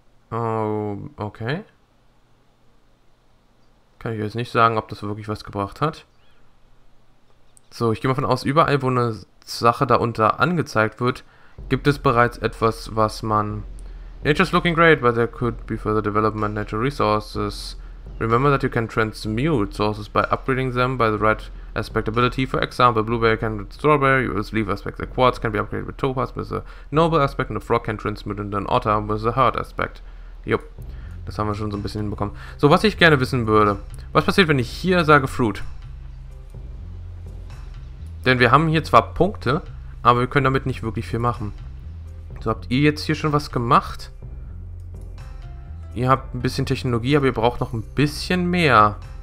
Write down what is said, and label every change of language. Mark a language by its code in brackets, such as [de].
[en] Oh, okay. [de] Kann ich jetzt nicht sagen, ob das wirklich was gebracht hat. So, ich gehe mal davon aus, überall, wo eine Sache darunter angezeigt wird, gibt es bereits etwas, was man... [en] Nature's looking great, but there could be further development natural resources. Remember that you can transmute sources by upgrading them by the right aspect ability. For example, blueberry can with strawberry, with leaf aspect. The quartz can be upgraded with topaz with a noble aspect, and a frog can transmute into an otter with a heart aspect. [de] Jupp, das haben wir schon so ein bisschen hinbekommen. So, was ich gerne wissen würde, was passiert, wenn ich hier sage Fruit? Denn wir haben hier zwar Punkte, aber wir können damit nicht wirklich viel machen. So, habt ihr jetzt hier schon was gemacht? Ihr habt ein bisschen Technologie, aber ihr braucht noch ein bisschen mehr.